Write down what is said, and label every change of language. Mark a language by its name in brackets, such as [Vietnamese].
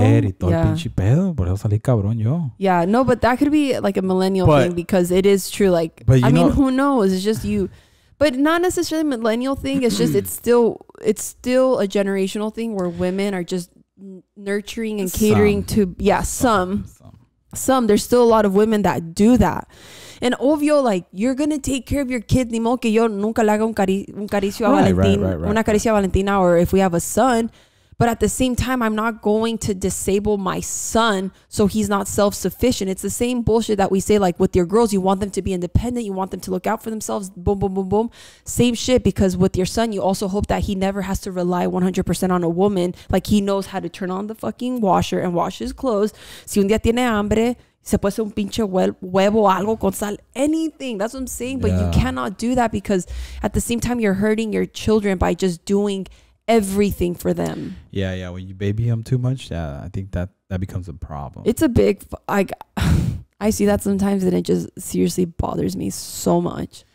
[Spanish] Barrer y todo el pinche pedo, por eso salí cabrón yo. [English] Yeah, no, but that could be like a millennial thing, because it is true, like, but you know, who knows, it's just you... But not necessarily a millennial thing. It's just it's still a generational thing where women are just nurturing and catering some. There's still a lot of women that do that. And obvio, like, you're going to take care of your kid. [Spanish] Ni modo que yo nunca le haga un caricio a Valentina. Una caricia a Valentina, [English] or if we have a son. But at the same time, I'm not going to disable my son so he's not self-sufficient. It's the same bullshit that we say, like, with your girls, you want them to be independent. You want them to look out for themselves. Boom, boom, boom, boom. Same shit, because with your son, you also hope that he never has to rely 100% on a woman. Like, he knows how to turn on the fucking washer and wash his clothes. [Spanish] Si un día tiene hambre, se puede hacer un pinche huevo, algo con sal, anything. [English] That's what I'm saying. But you cannot do that, because at the same time, you're hurting your children by just doing everything for them. Yeah when you baby them too much, I think that becomes a problem. It's a big, like, I see that sometimes and it just seriously bothers me so much.